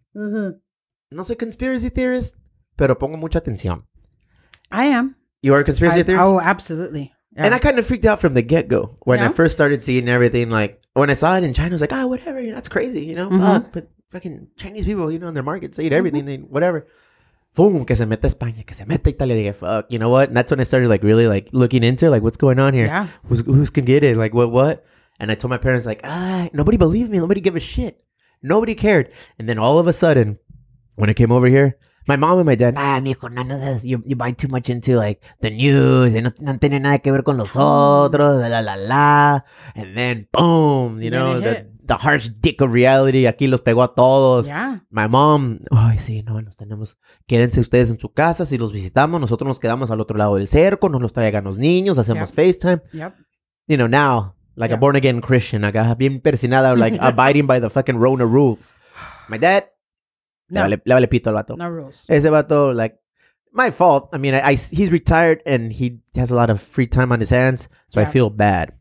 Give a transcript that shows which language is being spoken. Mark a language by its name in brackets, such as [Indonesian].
[Spanish] No soy [English] conspiracy theorist, [Spanish] pero pongo mucha atención. [English] I am. You are a conspiracy theorist? Oh, absolutely. Yeah. And I kind of freaked out from the get-go when I first started seeing everything. Like, when I saw it in China, I was like, whatever. That's crazy, you know? Mm-hmm. Fuck. But fucking Chinese people, you know, in their markets, they eat everything. Mm-hmm. They, whatever. Boom, [Spanish] que se mete España, que se mete Italia. Dije, [English] fuck, you know what? And that's when I started, like, really, like, looking into, like, what's going on here? Yeah. Who's going to get it? Like, what? And I told my parents, like, nobody believed me. Nobody gave a shit. Nobody cared. And then all of a sudden, when I came over here, my mom and my dad, mijo, none of this. You buy too much into, like, the news. [Spanish] Y no tiene nada que ver con los otros. La, la, la, la. [English] And then, boom, you know, the harsh dick of reality. [Spanish] Aquí los pegó a todos. [English] Yeah. My mom, [Spanish] ay, sí, no, nos tenemos. Quédense ustedes en su casa. Si los visitamos, nosotros nos quedamos al otro lado del cerco. No los traigan los niños. Hacemos FaceTime. [English] Yep. You know, now, like a born-again Christian. [Spanish] Acá, bien persinado, [English] like, abiding by the fucking Rona rules. My dad. No. [Spanish] Le vale pito al vato. [English] No rules. [Spanish] Ese vato, [English] like, my fault. I mean, I he's retired and he has a lot of free time on his hands, so I feel bad.